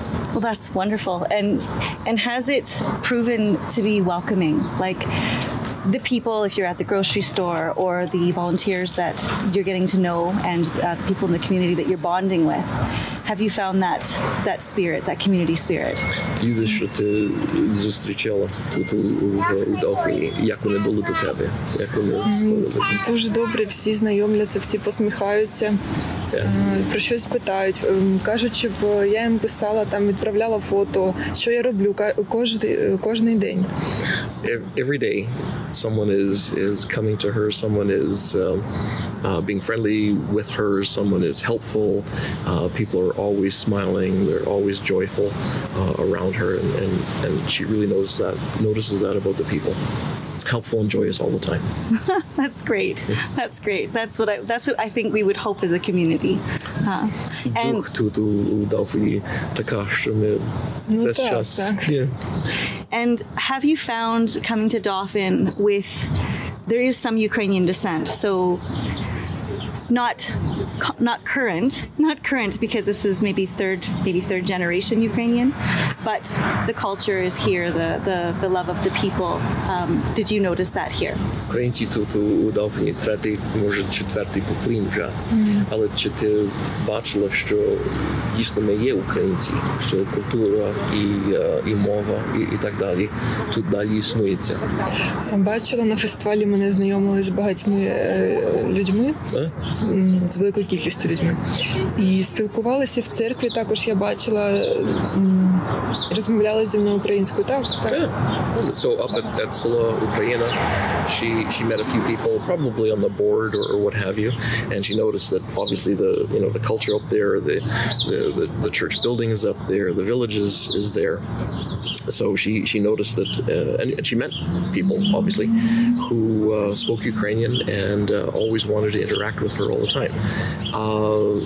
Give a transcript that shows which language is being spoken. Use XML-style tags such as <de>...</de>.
<en>Well, that's wonderful. And has it proven to be welcoming? Like, the people, if you're at the grocery store, or the volunteers that you're getting to know, and the people in the community that you're bonding with, have you found that spirit, that community spirit?</en> <uk>Люди, що ти зустрічала тут у Дауфіні, як вони були до тебе? Як вони сподобали? Дуже добре, всі знайомляться, всі посміхаються, про щось питають. Кажуть, щоб я їм писала, там відправляла фото, що я роблю кожний день.</uk> <en>Every day someone is coming to her, someone is being friendly with her, someone is helpful, people are always smiling, they're always joyful around her, and she really notices that about the people. helpful and joyous all the time. That's great. That's great. That's what I think we would hope as a community. And have you found coming to Dauphin with, there is some Ukrainian descent, so not current because this is maybe third generation Ukrainian, but the culture is here, the love of the people. Did you notice that here?</en> <uk>Українці тут у Дауфіні третій, може четвертий поклін вже. Але чи ти бачила, що дійсно ми є українці, що культура і мова і так далі тут далі існується? Бачила на фестивалі, мене знайомили з багатьми людьми. З великою кількістю людьми. І спілкувалися в церкві, також я бачила, розмовляли зі мною українською, так?</uk> <en>Yeah. So up at Tetzla, Ukraine, she met a few people, probably on the board or what have you, and she noticed that obviously the culture up there, the church building is up there, the village is there. So she noticed that, and she met people, obviously, who spoke Ukrainian and always wanted to interact with her all the time.</en>